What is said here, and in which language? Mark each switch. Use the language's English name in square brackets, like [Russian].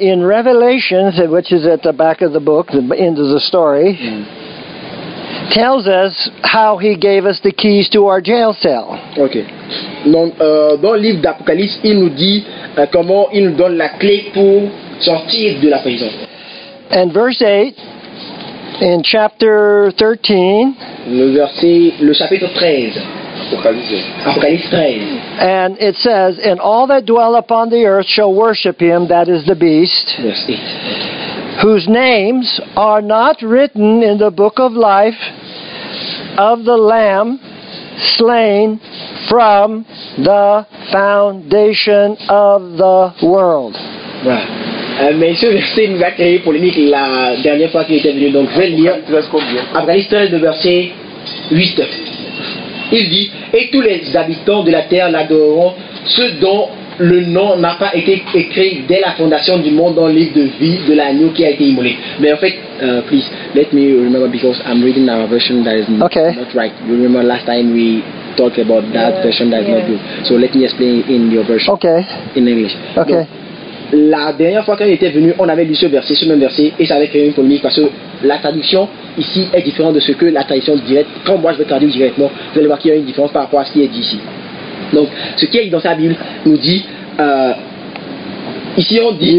[English] In Revelation, which is at the back of the book, the end of the story, tells us how he gave us the keys to our jail cell. Okay. [French] Donc, dans le livre d'Apocalypse, il nous dit comment il nous donne la clé pour sortir de la prison. [English] And verse 8, in chapter 13, [French] le chapitre 13. Apocalypse 13. [English] And it says, and all that dwell upon the earth shall worship him, that is the beast, whose names are not written in the book of life of the Lamb slain from the foundation of the world. [French] Mais ce verset nous a créé polémique la dernière fois qu'il était venu, donc je vais le lire. Apocalypse 13, le verset 8. Il dit, et tous les habitants de la terre l'adoreront, ce dont le nom n'a pas été écrit dès la fondation du monde dans le livre de vie de l'agneau qui a été immolé. Mais en fait, [English] please, let me remember because I'm reading our version that is okay. Not right. You remember last time we talked about that version that is not good. So let me explain in your version. Okay. In English. [French] Okay. Donc, la dernière fois qu'on était venu, on avait lu ce même verset, et ça avait créé une polémique parce que la traduction ici est différente de ce que la traduction directe. Quand moi je vais traduire directement, vous allez voir qu'il y a une différence par rapport à ce qui est dit ici. Donc, ce qui est dit dans sa Bible nous dit ici on dit.